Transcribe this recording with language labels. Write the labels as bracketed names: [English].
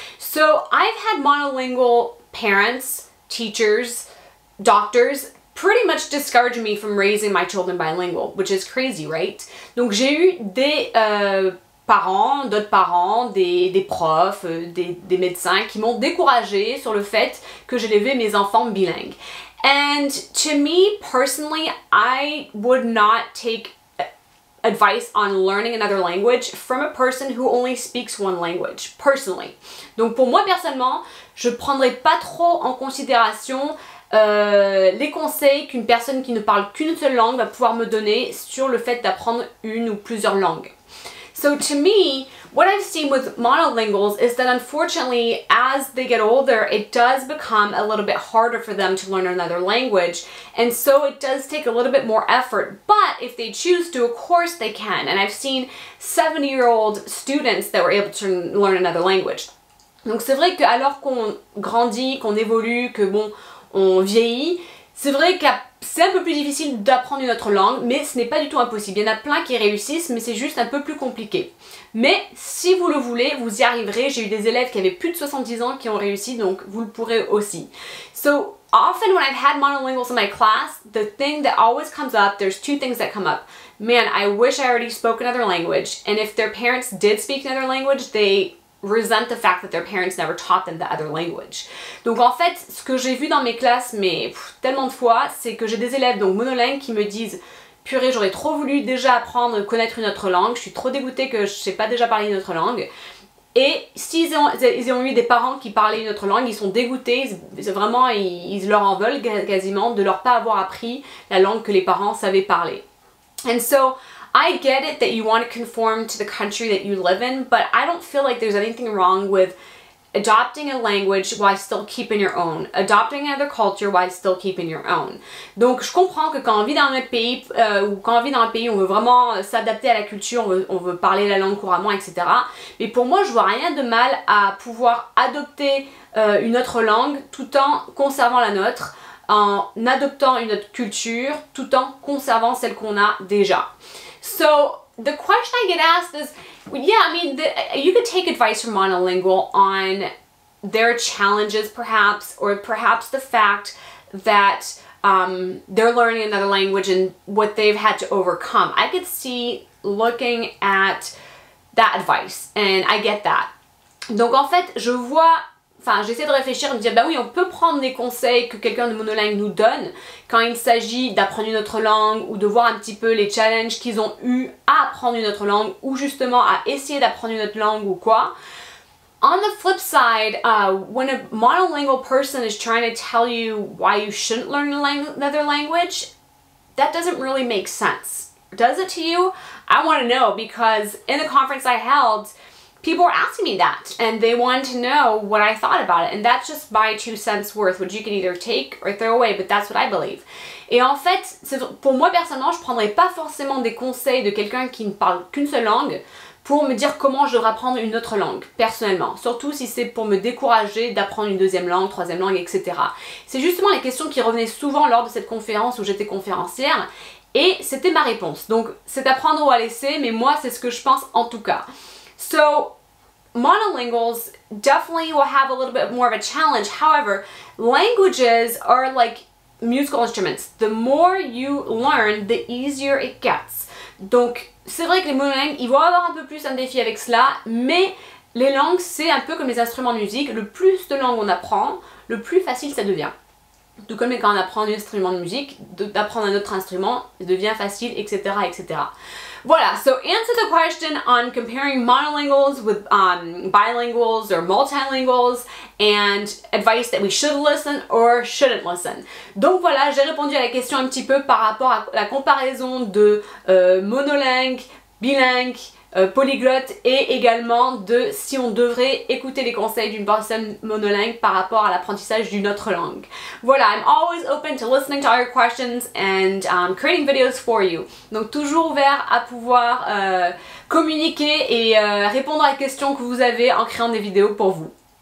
[English] So, I've had monolingual parents, teachers, doctors pretty much discourage me from raising my children bilingual, which is crazy, right? [French] Donc j'ai eu des parents, d'autres parents, des profs, des médecins qui m'ont découragé sur le fait que j'élevais mes enfants bilingues. [English] And to me personally, I would not take advice on learning another language from a person who only speaks one language, personally. [French] Donc pour moi personnellement, je prendrais pas trop en considération les conseils qu'une personne qui ne parle qu'une seule langue va pouvoir me donner sur le fait d'apprendre une ou plusieurs langues. [English] So to me, what I've seen with monolinguals is that unfortunately, as they get older, it does become a little bit harder for them to learn another language. And so it does take a little bit more effort, but if they choose to, of course they can. And I've seen 7-year-old students that were able to learn another language. [French] Donc c'est vrai que alors qu'on grandit, qu'on évolue, que bon, on vieillit, c'est vrai qu'à c'est un peu plus difficile d'apprendre une autre langue, mais ce n'est pas du tout impossible. Il y en a plein qui réussissent, mais c'est juste un peu plus compliqué. Mais si vous le voulez, vous y arriverez. J'ai eu des élèves qui avaient plus de 70 ans qui ont réussi, donc vous le pourrez aussi. [English] So, often when I've had monolinguals in my class, the thing that always comes up, there's two things that come up. Man, I wish I already spoke another language. And if their parents did speak another language, they resent the fact that their parents never taught them the other language. [French] Donc en fait, ce que j'ai vu dans mes classes, mais tellement de fois, c'est que j'ai des élèves donc monolingues qui me disent « Purée, j'aurais trop voulu déjà apprendre, connaître une autre langue, je suis trop dégoûtée que je ne sais pas déjà parler une autre langue. » Et s'ils ont eu des parents qui parlaient une autre langue, ils sont dégoûtés, ils leur en veulent quasiment de leur pas avoir appris la langue que les parents savaient parler. [English] And so, I get it that you want to conform to the country that you live in, but I don't feel like there's anything wrong with adopting a language while still keeping your own, adopting another culture while still keeping your own. [French] Donc je comprends que quand on vit dans un pays, on veut vraiment s'adapter à la culture, on veut parler la langue couramment, etc. Mais pour moi, je vois rien de mal à pouvoir adopter une autre langue tout en conservant la nôtre, en adoptant une autre culture tout en conservant celle qu'on a déjà. [English] So, the question I get asked is, you could take advice from monolingual on their challenges perhaps, or perhaps the fact that they're learning another language and what they've had to overcome. I could see looking at that advice, and I get that. [French] Donc en fait, j'essaie de réfléchir et me dire, on peut prendre les conseils que quelqu'un de monolingue nous donne quand il s'agit d'apprendre une autre langue ou de voir un petit peu les challenges qu'ils ont eu à apprendre une autre langue ou justement à essayer d'apprendre une autre langue ou quoi. [English] On the flip side, when a monolingual person is trying to tell you why you shouldn't learn another language, that doesn't really make sense. Does it to you? I want to know because in the conference I held, people were asking me that, and they wanted to know what I thought about it. And that's just my 2 cents worth, which you can either take or throw away, but that's what I believe. [French] Et en fait, pour moi personnellement, je ne prendrais pas forcément des conseils de quelqu'un qui ne parle qu'une seule langue pour me dire comment je devrais apprendre une autre langue, personnellement. Surtout si c'est pour me décourager d'apprendre une deuxième langue, troisième langue, etc. C'est justement les questions qui revenaient souvent lors de cette conférence où j'étais conférencière, et c'était ma réponse. Donc, c'est à prendre ou à laisser, mais moi, c'est ce que je pense en tout cas. [English] So, monolinguals definitely will have a little bit more of a challenge. However, languages are like musical instruments. The more you learn, the easier it gets. [French] Donc, c'est vrai que les monolingues, ils vont avoir un peu plus un défi avec cela, mais les langues, c'est un peu comme les instruments de musique. Le plus de langues on apprend, le plus facile ça devient. Tout comme quand on apprend un instrument de musique, d'apprendre un autre instrument devient facile, etc., etc. [English] Voilà, so answer the question on comparing monolinguals with bilinguals or multilinguals and advice that we should listen or shouldn't listen. [French] Donc voilà, j'ai répondu à la question un petit peu par rapport à la comparaison de monolingue, bilingue, polyglotte et également de si on devrait écouter les conseils d'une personne monolingue par rapport à l'apprentissage d'une autre langue. [English] Voilà, I'm always open to listening to all your questions and creating videos for you. [French] Donc toujours ouvert à pouvoir communiquer et répondre à les questions que vous avez en créant des vidéos pour vous.